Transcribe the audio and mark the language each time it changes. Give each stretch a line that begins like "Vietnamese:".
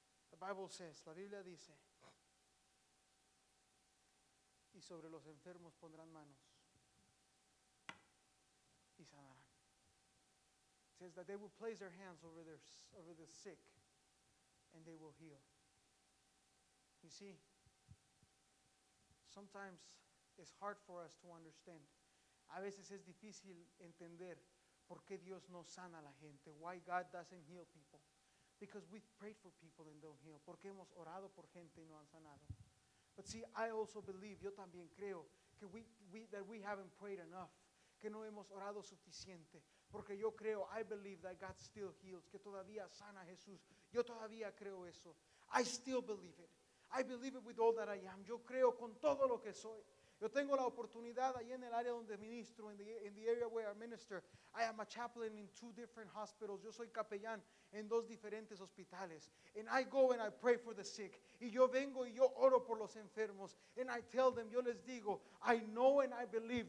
English: The Bible says,
Spanish: la Biblia dice, y sobre los enfermos pondrán manos y sanarán.
English: It says that they will place their hands over the sick and they will heal. You see, sometimes it's hard for us to understand.
Spanish: A veces es difícil entender por qué Dios no sana a la gente.
English: Why God doesn't heal people. Because we've prayed for people and don't heal.
Spanish: Porque hemos orado por gente y no han sanado.
English: But see, I also believe,
Spanish: yo también creo, que
English: that we haven't prayed enough.
Spanish: Que no hemos orado suficiente. Porque yo creo,
English: I believe that God still heals.
Spanish: Que todavía sana a Jesús. Yo todavía creo eso.
English: I still believe it. I believe it with all that I am.
Spanish: Yo creo con todo lo que soy. Yo tengo la oportunidad ahí en el área donde ministro,
English: in the area where I minister. I am a chaplain in 2 different hospitals.
Spanish: Yo soy capellán en 2 diferentes hospitales.
English: And I go and I pray for the sick.
Spanish: Y yo vengo y yo oro por los enfermos.
English: And I tell them,
Spanish: yo les digo,
English: I know and I believe.